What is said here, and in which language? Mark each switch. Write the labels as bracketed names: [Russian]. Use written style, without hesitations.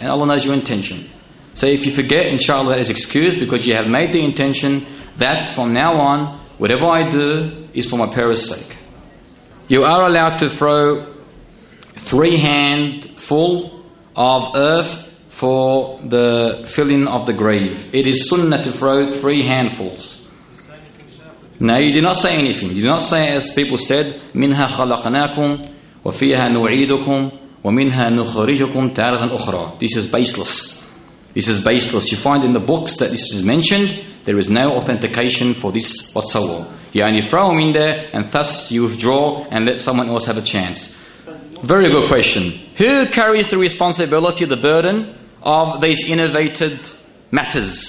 [English] And Allah knows your intention. So if you forget, inshallah, that is excused, because you have made the intention that from now on, whatever I do is for my parents' sake. You are allowed to throw 3 handfuls of earth for the filling of the grave. It is sunnah to throw 3 handfuls. No, you did not say anything. You did not say, as people said, [Arabic] مِنْهَا خَلَقْنَاكُمْ وَفِيهَا نُعِيدُكُمْ وَمِنْهَا نُخْرِجُكُمْ تَارَةً أُخْرَى. [English] This is baseless. This is baseless. You find in the books that this is mentioned, there is no authentication for this whatsoever. You only throw them in there, and thus you withdraw and let someone else have a chance. Very good question. Who carries the responsibility, the burden of these innovated matters?